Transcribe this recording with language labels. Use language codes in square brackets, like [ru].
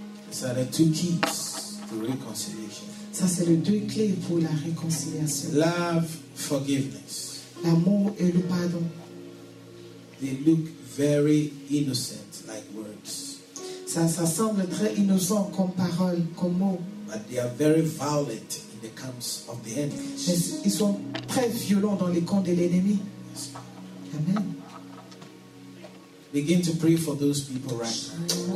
[en] These are the two keys to reconciliation. [fr] Ça c'est les deux clés pour la réconciliation. [en] Love, forgiveness. [fr] L'amour et le pardon. [en] They look very innocent, like words. [fr] Ça semble très innocent comme parole, comme mot. [en] But they are very violent in the camps of the enemy. [fr] Mais ils sont très violents dans les camps de l'ennemi. Amen. [en] Begin to pray for those people right now.